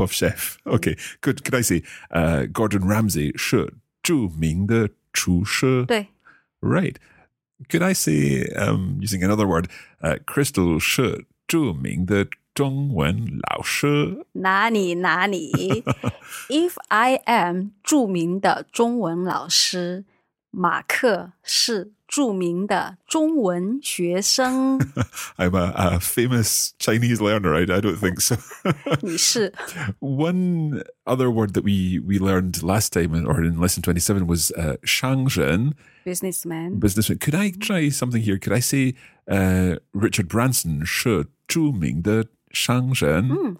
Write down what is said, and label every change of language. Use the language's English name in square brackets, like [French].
[English] of chef. Okay, good. Could I say Gordon Ramsay 是著名的厨师? [Chinese] 对. [English] Right. Could I say, using another word, Crystal 是著名的中文老师? [Chinese] 哪里哪里? If I am 著名的中文老师, 马克是 著名的中文学生. [English] I'm a famous Chinese learner. I don't think so. [Chinese] 你是. [English] One other word that we learned last time or in lesson 27 was 商人. Businessman. Could I try something here? Could I say Richard Branson 是著名的商人?